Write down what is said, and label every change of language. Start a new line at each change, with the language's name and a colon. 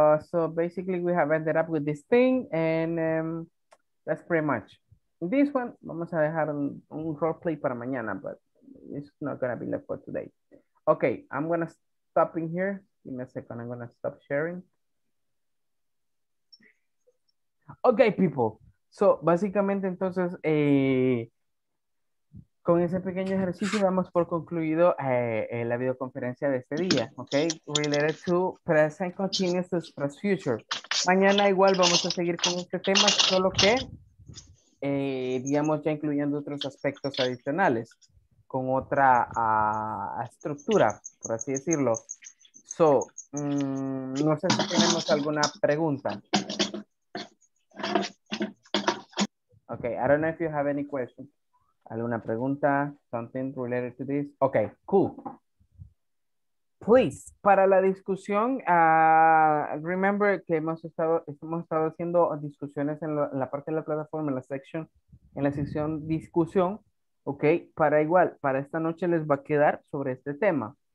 English: So basically we have ended up with this thing and that's pretty much this one.
Spanish: Vamos a dejar un role play para mañana,
English: but it's not gonna be left for today. Okay, I'm gonna stop in here. Give me a second, I'm gonna stop sharing. Okay, people.
Spanish: So básicamente entonces con ese pequeño ejercicio damos por concluido la videoconferencia de este día, ¿ok?
English: Related to present continuous as past future.
Spanish: Mañana igual vamos a seguir con este tema, solo que, digamos, ya incluyendo otros aspectos adicionales, con otra estructura, por así decirlo. So, no sé si tenemos alguna pregunta.
English: Ok, I don't know if you have any questions.
Spanish: ¿Alguna pregunta?
English: Something related to this. Okay, cool.
Spanish: Please, para la discusión, remember que hemos estado haciendo discusiones en la parte de la plataforma, en la sección discusión. Okay, para igual, para esta noche les va a quedar sobre este tema.